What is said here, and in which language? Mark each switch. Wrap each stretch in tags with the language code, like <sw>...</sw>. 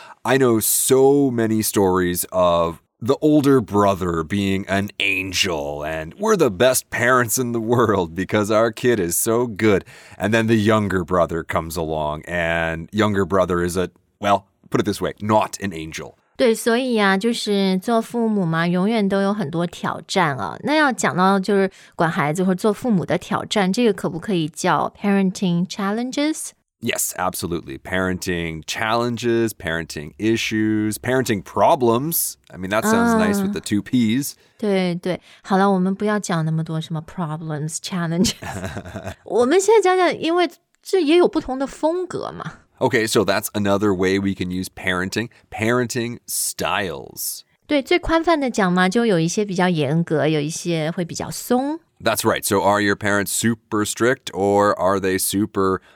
<en>I know so many stories of the older brother being an angel, and we're the best parents in the world because our kid is so good. And then the younger brother comes along, and younger brother is a, well, put it this way, not an angel.</en> <zh>对，所以啊，就是做父母嘛，永远都有很多挑战啊。那要讲到就是管孩子或做父母的挑战，这个可不可以叫</zh> <en>parenting challenges? Yes, absolutely. Parenting challenges, parenting issues, parenting problems. I mean, that sounds nice with the two P's.</en> <zh>对对，好了，我们不要讲那么多什么 problems, challenges. 我们现在讲讲，因为这也有不同的风格嘛。</zh> <en>Okay, so that's another way we can use parenting, parenting styles.</en> <zh>对，最宽泛的讲嘛，就有一些比较严格，有一些会比较松。</zh> <en>That's right. So are your parents super strict or are they super...</en>